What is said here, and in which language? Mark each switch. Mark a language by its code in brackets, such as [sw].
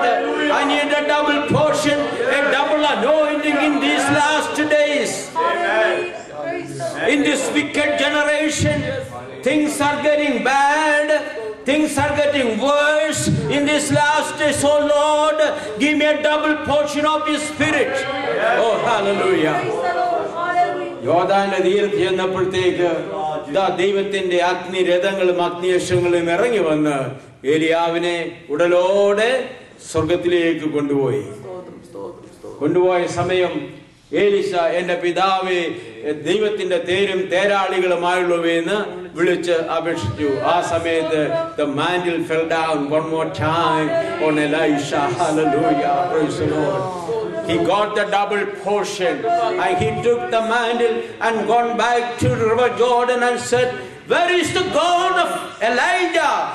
[en] I need a double portion, a double anointing in these last days. In this wicked generation, things are getting bad. Things are getting worse in this last days. Oh Lord, give me a double portion of His Spirit. Oh, hallelujah. [ml] യോർദാന്റെ തീരത്ത് ചെന്നപ്പോഴത്തേക്ക് ദൈവത്തിന്റെ അഗ്നി രഥങ്ങളും അഗ്നിയശങ്ങളും ഇറങ്ങി വന്ന് ഏലിയാവിനെ ഉടലോടെ സ്വർഗത്തിലേക്ക് കൊണ്ടുപോയി. കൊണ്ടുപോയ സമയം ഏലീശ, എന്റെ പിതാവേ, ദൈവത്തിന്റെ തേരും തേരാളികളുമായുള്ളവയെന്ന് വിളിച്ച് അപേക്ഷിച്ചു. ആ സമയത്ത് [en] the mantle fell down one more time on Elisha. Hallelujah. Praise the Lord. He got the double portion. And he took the mantle and gone back to River Jordan and said, where is the God of Elijah?